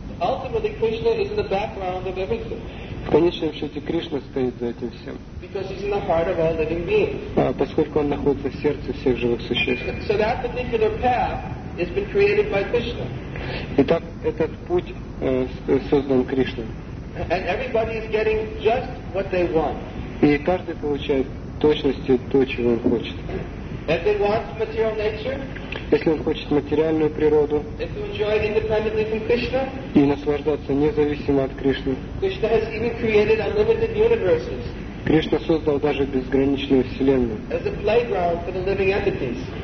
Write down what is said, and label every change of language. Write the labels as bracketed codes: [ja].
[en] Ultimately, Krishna is in the background of everything. [ru] В конечном счете Кришна стоит за этим всем. [en] Because he's in the heart of all living beings. [ru] Поскольку он находится в сердце всех живых существ. [en] So that particular path has been created by Krishna. [ru] Итак, этот путь создан Кришной. [en] And everybody is getting just what they want. [ru] И каждый получает точности то, чего он хочет. [en] If they want material nature, [ru] если он хочет материальную природу, [en] if they enjoy it independently from Krishna, [ru] и наслаждаться независимо от Кришны. [en] Krishna has even created unlimited universes. [ru] Кришна создал даже безграничную вселенную. [en] As a playground for the living entities.